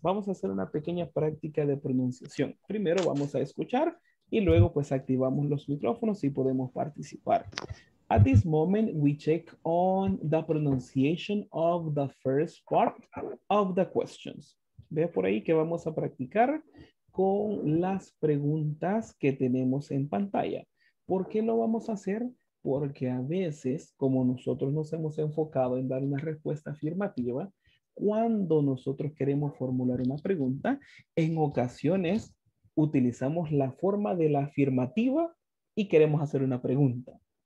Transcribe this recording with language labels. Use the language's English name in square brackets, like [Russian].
[Spanish] Vamos a hacer una pequeña práctica de pronunciación. Primero vamos a escuchar. Y luego pues activamos los micrófonos y podemos participar. [English] At this moment, we check on the pronunciation of the first part of the questions. [Spanish] Ve por ahí que vamos a practicar con las preguntas que tenemos en pantalla. ¿Por qué lo vamos a hacer? Porque a veces, como nosotros nos hemos enfocado en dar una respuesta afirmativa, cuando nosotros queremos formular una pregunta, en ocasiones utilizamos la forma de la afirmativa y queremos hacer una pregunta.